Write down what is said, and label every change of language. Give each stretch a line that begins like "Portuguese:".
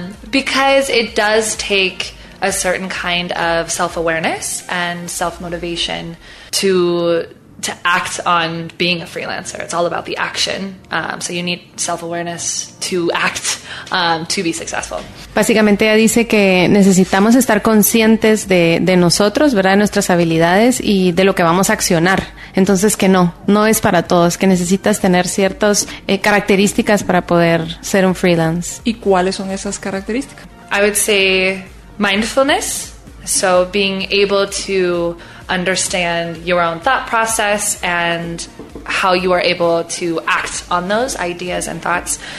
English: Because it does take a certain kind of self-awareness and self-motivation to act on being a freelancer. It's all about the action. So you need self-awareness to act, to be successful.
Spanish: Básicamente ella dice que necesitamos estar conscientes de nosotros, ¿verdad? De nuestras habilidades y de lo que vamos a accionar. Entonces que no es para todos, que necesitas tener ciertas características para poder ser un freelance. ¿Y cuáles son esas características?
English: I would say mindfulness. So being able to understand your own thought process and how you are able to act on those ideas and thoughts.